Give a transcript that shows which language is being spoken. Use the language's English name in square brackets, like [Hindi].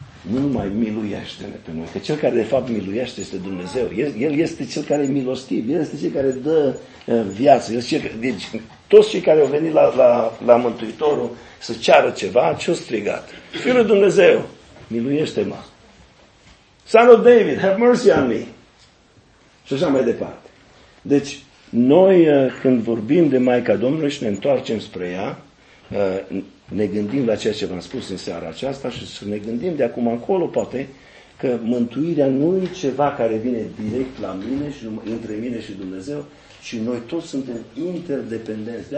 [Romanian] Nu numai miluiește-ne pe noi. Că cel care de fapt miluiește este Dumnezeu. El este cel care e milostiv. El este cel care dă viață. Deci toți cei care au venit la Mântuitorul să ceară ceva, ce-o strigat? Fiul Dumnezeu, miluiește-mă. [English] Son of David, have mercy on me. [Romanian] Și așa mai departe. Deci noi când vorbim de Maica Domnului și ne întoarcem spre ea, ne gândim la ceea ce v-am spus în seara aceasta și să ne gândim de acum încolo poate că mântuirea nu e ceva care vine direct la mine și între mine și Dumnezeu, ci noi toți suntem interdependenți.